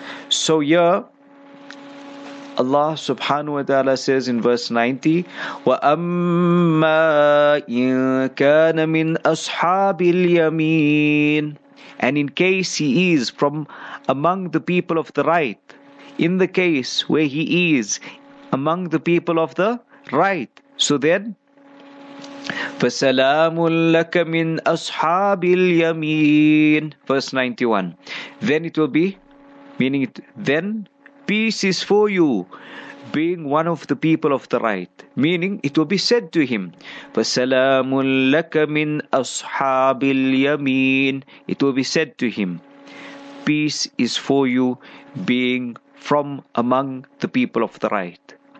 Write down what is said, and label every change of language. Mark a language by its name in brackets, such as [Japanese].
[English] So here, Allah subhanahu wa ta'ala says in verse 90, [Arabic] وَأَمَّا إِن كَانَ مِنْ أَصْحَابِ الْيَمِينَ, [English] and in case he is from among the people of the right, in the case where he is among the people of the Right. So then, [Arabic] فَسَلَامٌ لَكَ مِنْ أَصْحَابِ الْيَمِينِ [English] Verse 91. Then it will be, meaning it, then peace is for you, being one of the people of the right. Meaning it will be said to him, [Arabic] فَسَلَامٌ لَكَ مِنْ أَصْحَابِ الْيَمِينِ [English] It will be said to him, peace is for you, being from among the people of the right.